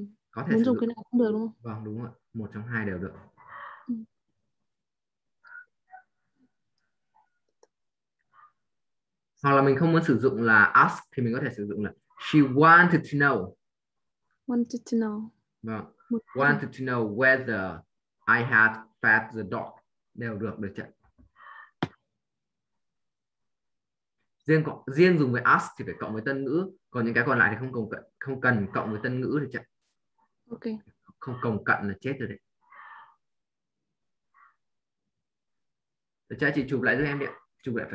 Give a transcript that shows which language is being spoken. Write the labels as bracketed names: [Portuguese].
[Vietnamese] có thể muốn sử dụng. cái nào cũng được đúng Vâng đúng rồi, một trong hai đều được. Hoặc là mình không muốn sử dụng là ask thì mình có thể sử dụng là [English] she wanted to know. know. [Vietnamese] Vâng. Một [English] Wanted to know whether I had fed the dog. [Vietnamese] Đều được, được chưa? Riêng dùng với ask thì phải cộng với tân ngữ, còn những cái còn lại thì không cần cộng với tân ngữ, được chưa? Ok. Không cộng cận là chết rồi đấy. Được chưa? Chị chụp lại giúp em đi. Chúng lại phải